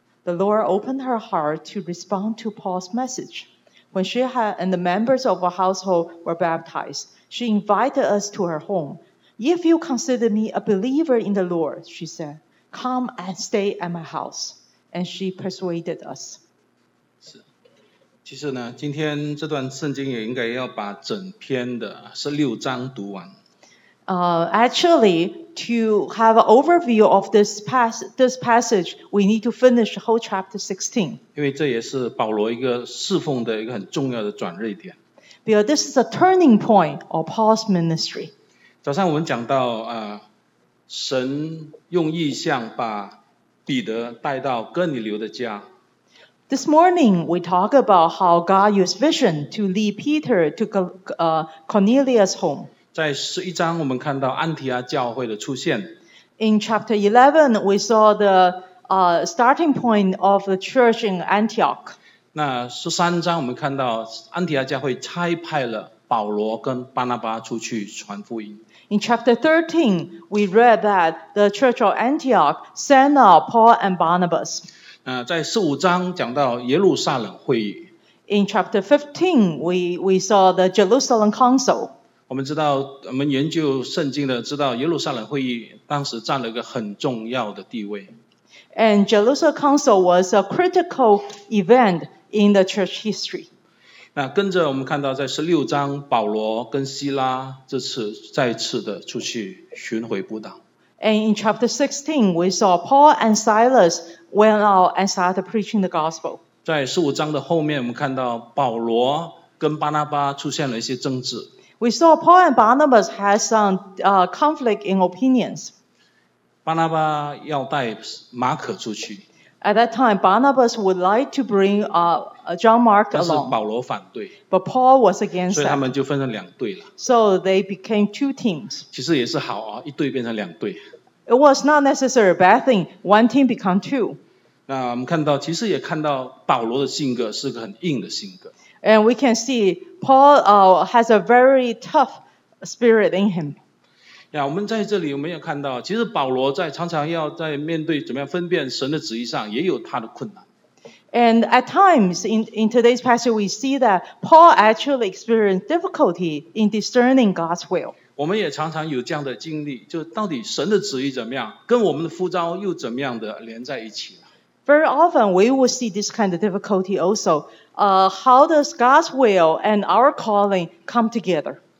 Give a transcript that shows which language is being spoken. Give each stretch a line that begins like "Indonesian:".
English: The Lord opened her heart to respond to Paul's message. When she and the members of her household were baptized, she invited us to her home. If you consider me a believer in the Lord, she said, come and stay at my house. And she persuaded us.
Chinese: 是，其实呢，今天这段圣经也应该要把整篇的十六章读完。
English: Actually, to have an overview of this passage, we need to finish whole chapter 16.
Chinese: 因为这也是保罗一个侍奉的一个很重要的转捩点。
English: Because this is a turning point of Paul's ministry.
Chinese: 早上我们讲到神用异象把彼得带到哥尼流的家。
English: This morning we talk about how God used vision to lead Peter to Cornelius' home.
Chinese: 在十一章我们看到安提阿教会的出现。
English: In chapter 11 we saw the starting point of the church in Antioch.
Chinese: 那十三章我们看到安提阿教会差派了保罗跟巴拿巴出去传福音。
English: In chapter 13, we read that the church of Antioch sent out Paul and Barnabas.
Chinese: 在十五章讲到耶路撒冷会议。
English: In chapter 15, we saw the Jerusalem Council.
Chinese: 我们知道，我们研究圣经的知道，耶路撒冷会议当时占了一个很重要的地位。
English: And Jerusalem Council was a critical event in the church history.
Chinese: 那跟着我们看到在十六章保罗跟希拉这次再次的出去巡回布道。
English: And in chapter 16, we saw Paul and Silas went out and started preaching the gospel.
Chinese: 在十五章的后面我们看到保罗跟巴拿巴出现了一些争执。
English: We saw Paul and Barnabas had some conflict in opinions.
Chinese: 巴拿巴要带马可出去。
English: At that time, Barnabas would like to bring John Mark along.
Chinese: 但是保罗反对。
English: But Paul was against that.
Chinese: 所以他们就分成两队了。
English: So they became two teams.
Chinese: 其实也是好啊，一队变成两队。
English: It was not necessarily a bad thing. One team become two.
Chinese: 那我们看到，其实也看到保罗的性格是个很硬的性格。
English: And we can see Paul has a very tough spirit in him.
Chinese: 呀，我们在这里有没有看到，其实保罗在常常要在面对怎么样分辨神的旨意上，也有他的困难。
English: And at times in today's passage, we see that Paul actually experienced difficulty in discerning God's will.
Chinese: 我们也常常有这样的经历，就到底神的旨意怎么样，跟我们的呼召又怎么样的连在一起。
English: Very often we will see this kind of difficulty also. How does God's will and our calling come together?